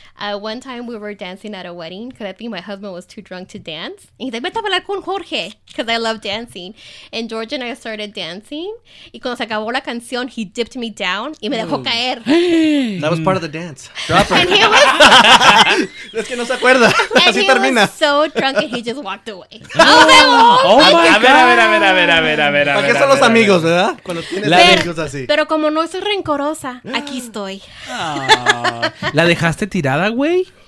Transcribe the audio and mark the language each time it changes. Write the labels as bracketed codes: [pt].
[en] One time we were dancing at a wedding because I think my husband was too drunk to dance. And he's like, [es] vete a hablar con Jorge [en] because I love dancing. And George and I started dancing. [es] Y cuando se acabó la canción, [en] he dipped me down [es] y me dejó caer. [en] That was part of the dance. Drop her. And he was... [es] Es que no se acuerda. Así termina. [en] And he was so drunk and he just walked away. Oh my God. [es] A ver. ¿Para qué son los amigos, verdad? Cuando tienes amigos así. Pero como no soy rencorosa, aquí estoy. ¿La dejaste tirada, güey?